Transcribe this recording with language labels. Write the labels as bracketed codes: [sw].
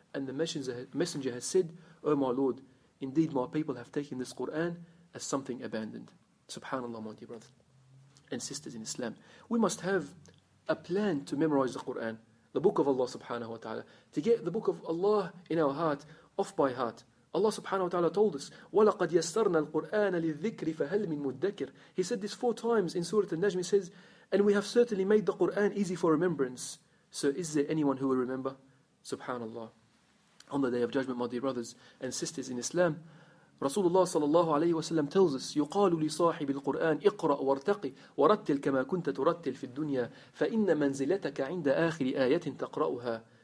[en] And the messenger has said, O my Lord, indeed my people have taken this Qur'an as something abandoned. SubhanAllah, my dear brothers and sisters in Islam. We must have a plan to memorize the Qur'an, the book of Allah subhanahu wa ta'ala, to get the book of Allah in our heart, off by heart. Allah subhanahu wa ta'ala told us, [ar] وَلَقَدْ يَسَّرْنَا الْقُرْآنَ لِلذِّكْرِ فَهَلْ مِنْ مُدَّكِرِ. [en] He said this four times in Surah Al-Najm. He says, and we have certainly made the Qur'an easy for remembrance. So is there anyone who will remember? Subhanallah. On the Day of Judgment, my dear brothers and sisters in Islam, Rasulullah sallallahu alayhi wa sallam tells us, [ar] يُقَالُ لِصَاحِبِ الْقُرْآنِ اِقْرَأْ وَارْتَقِ وَرَتِّلْ كَمَا كُنْتَ تُرَتِّلْ فِي الدُّنْيَا فَإِنَّ مَنْزِلَتَكَ عِنْدَ آخِرِ آيَةٍ تَقْرَأُهَا.